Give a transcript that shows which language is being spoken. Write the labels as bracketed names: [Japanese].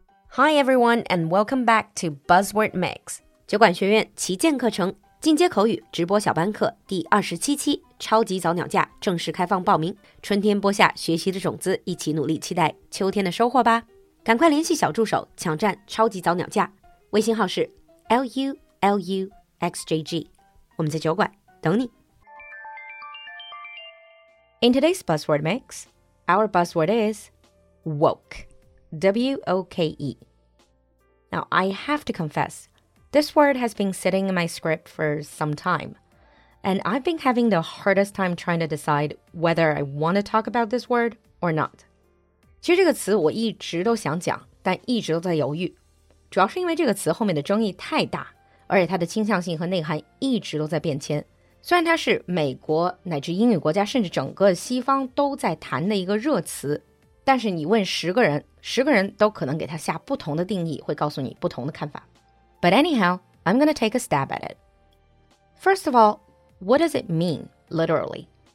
[English] Hi everyone, and welcome back to Buzzword Mix. [Chinese] 酒馆学院旗舰课程进阶口语直播小班课第27期超级早鸟价正式开放报名。春天播下学习的种子，一起努力期待秋天的收获吧。赶快联系小助手抢占超级早鸟价。微信号是 LULUXJG。我们在酒馆等你。 [English] In today's Buzzword Mix, our buzzword is woke. W-O-K-E. Now, I have to confess, this word has been sitting in my script for some time, and I've been having the hardest time trying to decide whether I want to talk about this word or not. [Chinese] 其实这个词我一直都想讲，但一直都在犹豫，主要是因为这个词后面的争议太大，而且它的倾向性和内涵一直都在变迁。虽然它是美国乃至英语国家甚至整个西方都在谈的一个热词，但是你问十个人，十个人都可能给他下不同的定义，会告诉你不同的看法。 [English] But anyhow, I'm going to take a stab at it. First of all, what does it mean, literally?